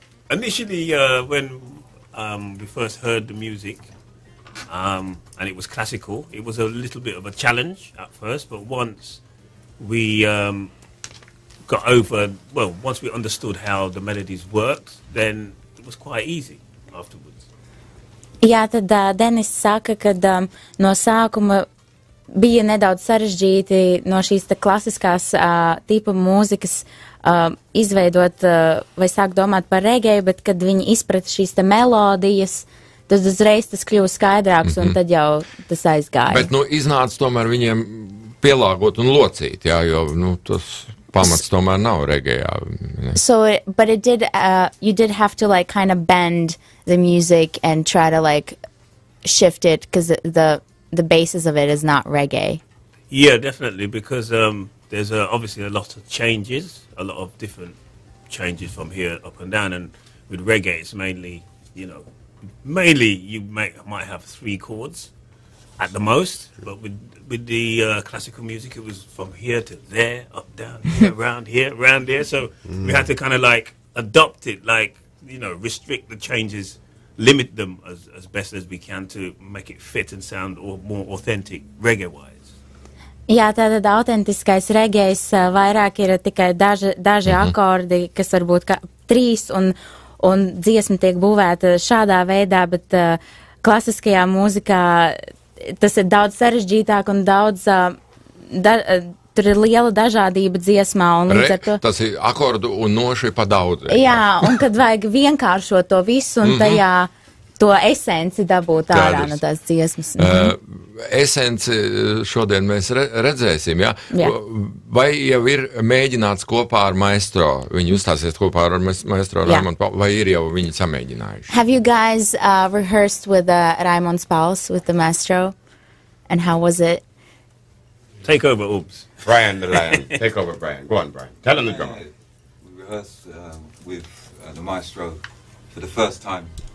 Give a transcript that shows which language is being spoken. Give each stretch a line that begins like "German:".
English: Initially, when we first heard the music, and it was classical, it was a little bit of a challenge at first, but once we got over, well, once we understood how the melodies worked, then it was quite easy afterwards.
Latvian: Jā, tad Denis saka, ka no sākuma bija nedaudz sarežģīti no šīs tā klasiskās tipa mūzikas izveidot vai sāk domāt par regēju, bet kad viņi izprata šīs tā melodijas, tad uzreiz tas kļuva skaidrāks un tad jau tas aizgāja. Bet nu iznāca tomēr viņiem pielāgot un locīt, jā, jo nu tas... Pamats tomēr nav regējā.
English: So, but it did, you did have to like kind of bend the music and try to like shift it because the basis of it is not reggae. Yeah, definitely, because there's obviously a lot of changes, a lot of different changes from here up and down, and with reggae it's mainly, you know, mainly you might have three chords at the most, but with the classical music, it was from here to there, up, down, here, around there, so we had to kind of like adopt it, like, you know, restrict the changes, limit them as best as we can to make it fit and sound or more authentic reggae-wise.
Latvian: Jā, tātad autentiskais reggaes vairāk ir tikai daži akordi, kas varbūt trīs, un dziesma tiek būvēta šādā veidā, bet klasiskajā mūzikā tas ir daudz sarežģītāk un daudz tur ir liela dažādība dziesmā un līdz ar to tas ir akordu un noši pa daudz. Jā, un kad vajag vienkāršot to visu un tajā to esenci dabūt ārā no tās dziesmas. Esenci šodien mēs redzēsim, jā? Vai jau ir mēģināts kopā ar maestro? Viņi uzstāsies kopā ar maestro Raimonds Pauls, vai ir jau viņi samēģinājuši?
English: Have you guys rehearsed with Raimonds Pauls, with the maestro? And how was it? Take over, oops. Brian the Lion. Take over, Brian. Go on, Brian. Tell him the drummer. We rehearsed with the maestro for the first time.